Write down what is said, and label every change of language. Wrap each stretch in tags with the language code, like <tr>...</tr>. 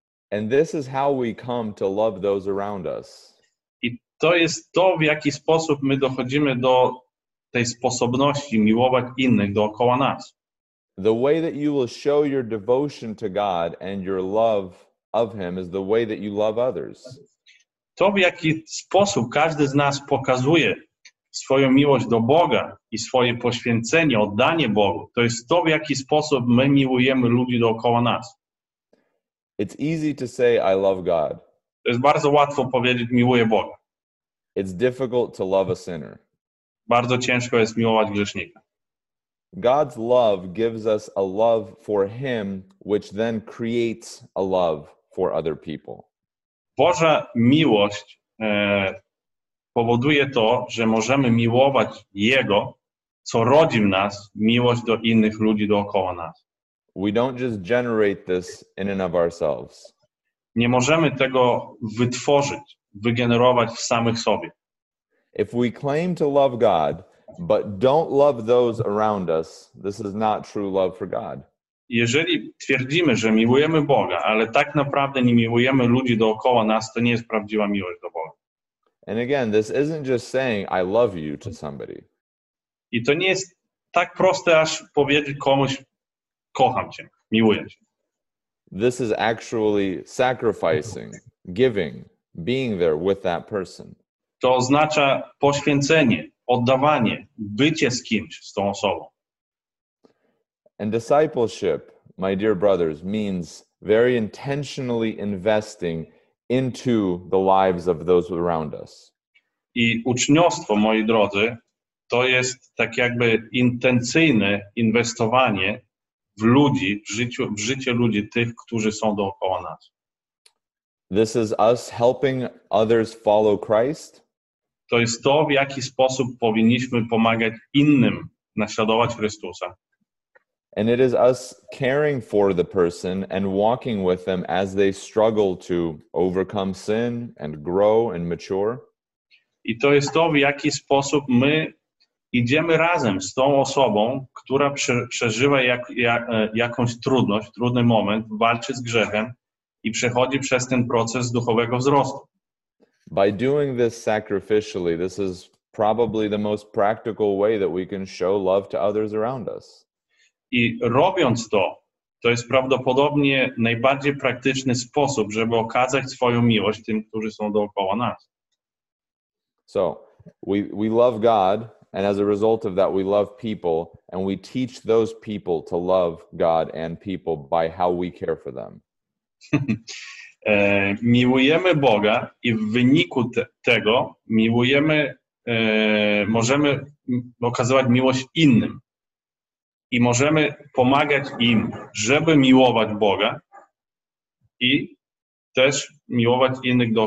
<en>And this is how we come to love those around us.</en> <pl>I to jest to, w jaki sposób my dochodzimy do tej sposobności miłować innych dookoła nas.</pl> <en>The way that you will show your devotion to God and your love of him is the way that you love others.</en> <pl>To, w jaki sposób każdy z nas pokazuje swoją miłość do Boga i swoje poświęcenie, oddanie Bogu, to jest to, w jaki sposób my miłujemy ludzi dookoła nas.</pl> <en>It's easy to say, I love God.</en> <pl>To jest bardzo łatwo powiedzieć, miłuję Boga.</pl> <en>It's difficult to love a sinner.</en> <pl>Bardzo ciężko jest miłować grzesznika.</pl> <en>God's love gives us a love for him, which then creates a love for other people.</en> <pl>Boża miłość powoduje to, że możemy miłować Jego, co rodzi w nas miłość do innych ludzi dookoła nas.</pl> <en>We don't just generate this in and of ourselves.</en> <pl>Nie możemy tego wytworzyć, wygenerować w samych sobie.</pl> <en>If we claim to love God, but don't love those around us, this is not true love for God.</en> <pl>Jeżeli twierdzimy, że miłujemy Boga, ale tak naprawdę nie miłujemy ludzi dookoła nas, to nie jest prawdziwa miłość do Boga.</pl> <en>And again, this isn't just saying I love you to somebody.</en> <pl>I to nie jest tak proste, aż powiedzieć komuś kocham cię, miłuję cię.</pl> <en>This is actually sacrificing, giving, being there with that person.</en> <pl>To oznacza poświęcenie, oddawanie, bycie z kimś, z tą osobą.</pl> <en>And discipleship, my dear brothers, means very intentionally investing into the lives of those around us.</en> <pl>I uczniostwo, moi drodzy, to jest tak jakby intencyjne inwestowanie w ludzi, w życie ludzi, tych, którzy są dookoła nas.</pl> <en>This is us helping others follow Christ.</en> <pl>To jest to, w jaki sposób powinniśmy pomagać innym naśladować Chrystusa.</pl> <en>And it is us caring for the person and walking with them as they struggle to overcome sin and grow and mature.</en> <pl>I to jest to, w jaki sposób my idziemy razem z tą osobą, która przeżywa jakąś trudność, trudny moment, walczy z grzechem i przechodzi przez ten proces duchowego wzrostu.</pl> <en>By doing this sacrificially, this is probably the most practical way that we can show love to others around us.</en> <pl>I robiąc to, to jest prawdopodobnie najbardziej praktyczny sposób, żeby okazać swoją miłość tym, którzy są dookoła nas.</pl> <en>So, we love God, and as a result of that, we love people, and we teach those people to love God and people by how we care for them.</en> <pl>Miłujemy Boga i w wyniku tego miłujemy, możemy okazywać miłość innym. I możemy pomagać im, żeby miłować Boga i też miłować innych.</pl>